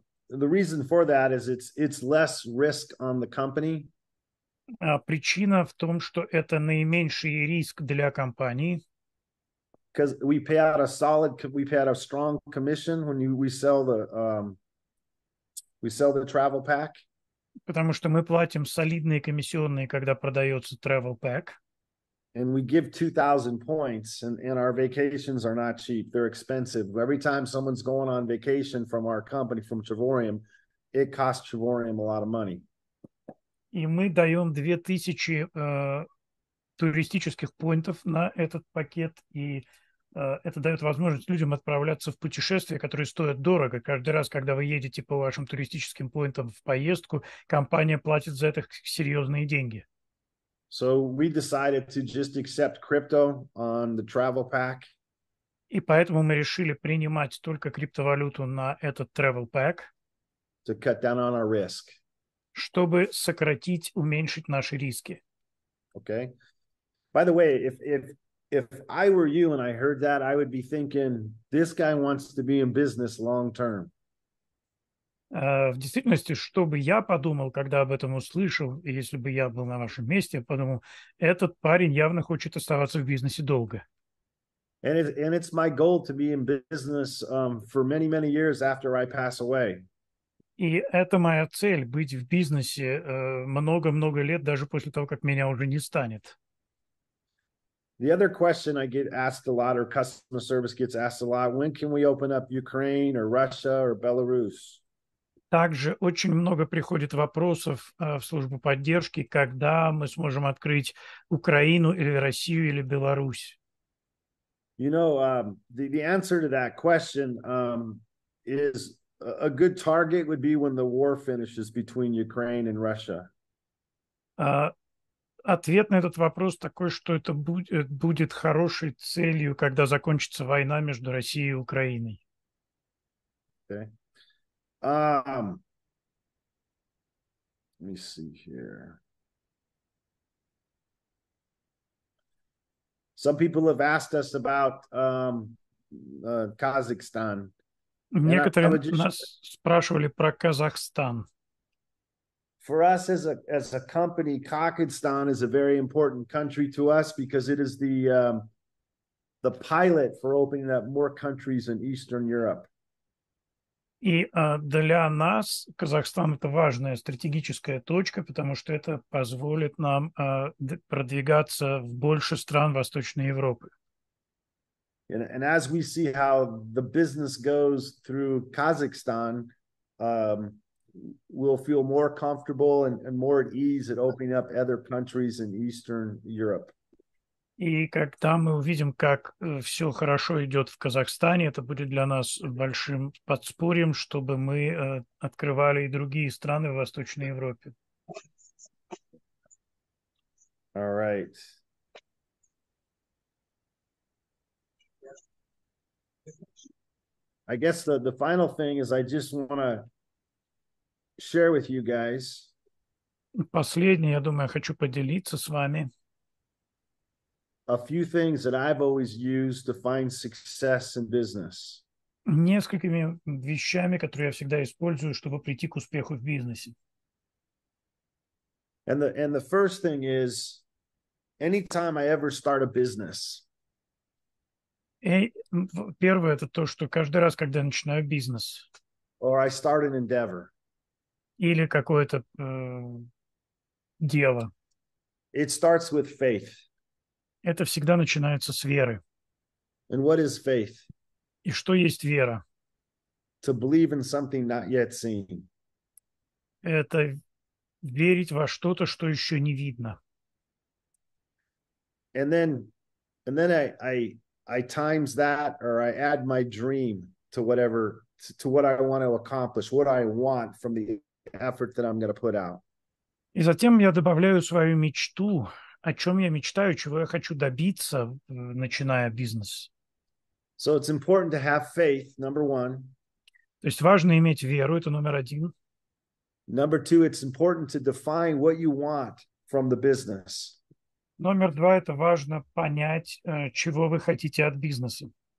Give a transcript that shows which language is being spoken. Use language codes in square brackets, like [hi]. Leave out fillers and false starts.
[en] The reason for that is it's less risk on the company. [ru] Причина в том, что это наименьший риск для компании. [en] Because we pay out a strong commission when we sell the travel pack. [ru] Потому что мы платим солидные комиссионные, когда продается travel pack. [en] And we give 2,000 points, and our vacations are not cheap. They're expensive. Every time someone's going on vacation from our company, from Trevorium, it costs Trevorium a lot of money. [ru] И мы даем 2000 туристических поинтов на этот пакет, и это дает возможность людям отправляться в путешествия, которые стоят дорого. Каждый раз, когда вы едете по вашим туристическим поинтам в поездку, компания платит за это серьезные деньги. [en] So we decided to just accept crypto on the travel pack. [ru] И поэтому мы решили принимать только криптовалюту на этот travel pack. [en] To cut down on our risk. [ru] Чтобы сократить, уменьшить наши риски. [en] Okay. By the way, if I were you and I heard that, I would be thinking, this guy wants to be in business long term. [ru] В действительности, что бы я подумал, когда об этом услышал, если бы я был на вашем месте, я подумал, этот парень явно хочет оставаться в бизнесе долго. [en] And it's my goal to be in business for many, many years after I pass away. [ru] И это моя цель, быть в бизнесе много-много лет, даже после того, как меня уже не станет. [en] The other question I get asked a lot, or customer service gets asked a lot, when can we open up Ukraine or Russia or Belarus? [ru] Также очень много приходит вопросов в службу поддержки, когда мы сможем открыть Украину или Россию или Беларусь. [en] You know, the answer to that question is a good target would be when the war finishes between Ukraine and Russia. [ru] Ответ на этот вопрос такой, что это будет хорошей целью, когда закончится война между Россией и Украиной. [en] Okay. Let me see here. Some people have asked us about Kazakhstan. [ru] Некоторые нас спрашивали про Казахстан. [en] For us as a company, Kazakhstan is a very important country to us because it is the pilot for opening up more countries in Eastern Europe. [ru] И для нас Казахстан — это важная стратегическая точка, потому что это позволит нам продвигаться в больше стран Восточной Европы. [en] And as we see how the business goes through Kazakhstan, we'll feel more comfortable and more at ease at opening up other countries in Eastern Europe. [ru] И когда мы увидим, как все хорошо идет в Казахстане, это будет для нас большим подспорьем, чтобы мы открывали и другие страны в Восточной Европе. [en] All right. I guess the final thing is I just want to share with you guys. [ru] Последнее, я думаю, хочу поделиться с вами. [en] A few things that I've always used to find success in business. [ru] Несколькими вещами, которые я всегда использую, чтобы прийти к успеху в бизнесе. [en] And the first thing is, anytime I ever start a business. [ru] Первое — это то, что каждый раз, когда я начинаю бизнес. [en] Or I start an endeavor. [ru] Или какое-то дело. [en] It starts with faith. [ru] Это всегда начинается с веры. [en] And what is faith? [ru] И что есть вера? [en] To believe in something not yet seen. [ru] Это верить во что-то, что еще не видно. [en] And then I times that, or I add my dream to whatever, to what I want to accomplish, what I want from the effort that I'm going to put out. [ru] И затем я добавляю свою мечту. О чем я мечтаю, чего я хочу добиться, начиная бизнес. [en] So it's important to have faith, number one. [ru] То есть важно иметь веру, это номер один. [en] Number two, it's important to define what you want from the business. [ru] Номер два, это важно понять, чего вы хотите от бизнеса.